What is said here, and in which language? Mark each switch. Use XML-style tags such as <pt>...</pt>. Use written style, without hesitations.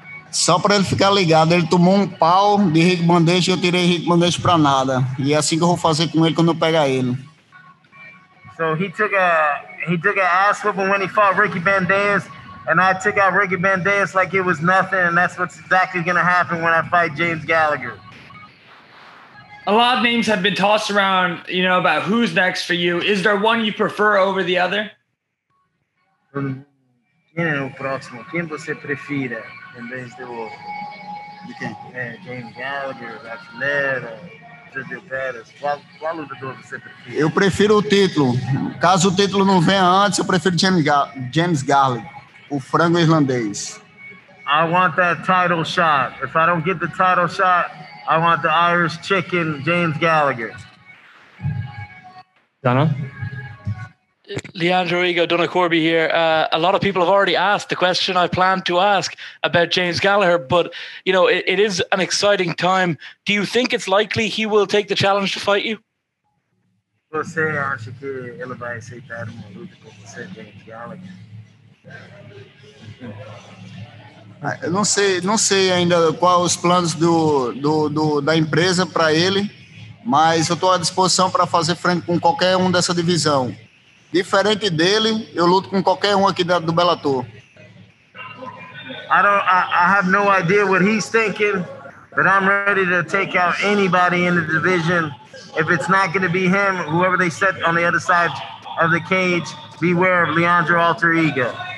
<pt>Só para ele ficar ligado, ele tomou um pau de Rick Bandeja e eu tirei Rick Bandeja para nada. E é assim que eu vou fazer com ele quando eu pegar ele.</pt> <en>So he took an ass whooping when he fought Ricky Bandeja, and I took out Ricky Bandeja like it was nothing, and that's what's exactly going to happen when I fight James Gallagher. A lot of names have been tossed around, you know, about who's next for you. Is there one you prefer over the other?</en> <pt>Quem é o próximo? Quem você prefira em vez do outro? De quem? É, James Gallagher, Atleta, Jadil Pérez. Qual lutador você prefere? Eu prefiro o título. Caso o título não venha antes, eu prefiro James Gallagher, o frango irlandês.</pt> <en>I want that title shot. If I don't get the title shot, I want the Irish chicken, James Gallagher. Donna? Leandro Ego, Donna Corby here. A lot of people have already asked the question I planned to ask about James Gallagher, but, you know, it is an exciting time. Do you think it's likely he will take the challenge to fight you?</en> <pt>Você acha que ele vai aceitar uma luta com você, James Gallagher? Eu não sei ainda quais os planos da empresa para ele, mas eu estou à disposição para fazer frente com qualquer um dessa divisão. Diferente dele, eu luto com qualquer um aqui do Bellator.</pt> <en>I have no idea what he's thinking, but I'm ready to take out anybody in the division. If it's not going to be him, whoever they set on the other side of the cage, beware of Leandro Alter Ego.</en>